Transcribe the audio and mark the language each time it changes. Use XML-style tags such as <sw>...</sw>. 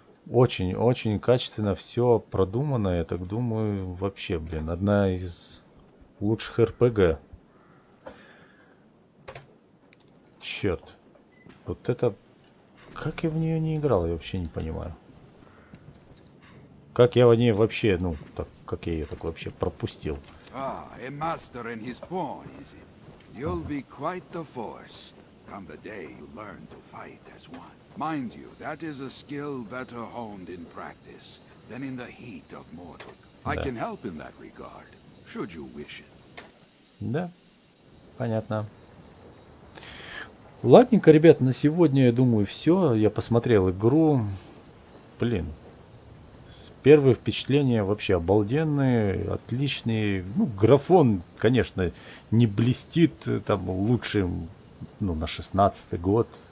<ru>Очень-очень качественно все продумано, я так думаю, вообще, блин, одна из лучших RPG. Черт, вот это... Как я в нее не играл, я вообще не понимаю. Как я в ней вообще, ну, так, как я ее так вообще пропустил. А, и мастер и его пон,</ru> <en>is it? You'll be quite the force, come the day you learn to fight as one. Mind you, that is a skill better honed in practice than in the heat of mortal. I can help in that regard, should you wish it.</en> <ru>Да, понятно. Ладненько, ребят, на сегодня, я думаю, все. Я посмотрел игру. Блин. Первые впечатления вообще обалденные, отличные. Ну, графон, конечно, не блестит там лучшим, ну, на 16-й год.</ru>